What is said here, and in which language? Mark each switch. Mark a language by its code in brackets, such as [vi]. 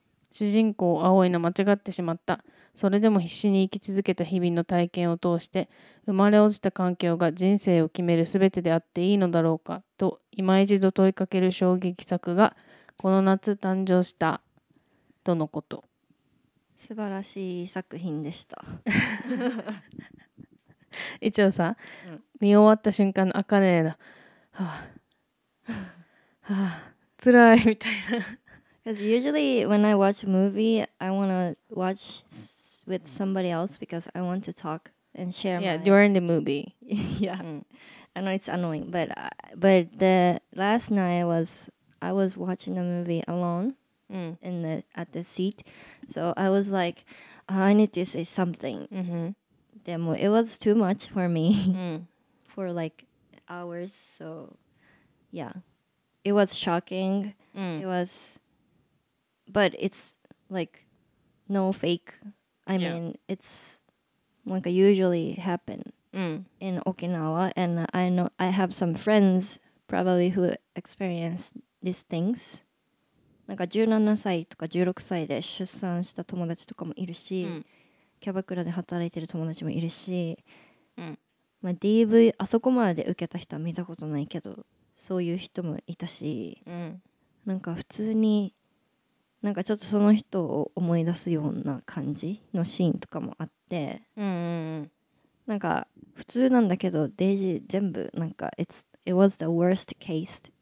[ja] 主人公葵の間違ってしまった、それでも必死に生き続けた日々の体験を通して、生まれ落ちた環境が人生を決める全てであっていいのだろうかと今一度問いかける衝撃作がこの夏誕生したとのこと。素晴らしい作品でした一応さ、見終わった瞬間のアカネの、はあ、はあ、辛いみたいな。 [en] Because usually when I watch a movie, I want to watch with somebody else because I want to talk and share. Yeah, during the movie. Yeah. I know it's annoying, but the last night I was watching the movie alone at the seat. So I was like, I need to say something. Mm-hmm. It was too much for me for like hours. So yeah, it was shocking. But it's like no fake. I mean, it's like usually happen in Okinawa. And I know I have some friends probably who experience these things. [ja] Like 17 歳とか16歳で出産した友達とかもいるし、キャバクラで働いてる友達もいるし、まあ、DV あそこまで受けた人は見たことないけど、そういう人もいたし、なんか普通になんかちょっとその人を思い出すような感じのシーンとかもあって、なんか普通なんだけど、デイジー全部なんか [en] it was the worst case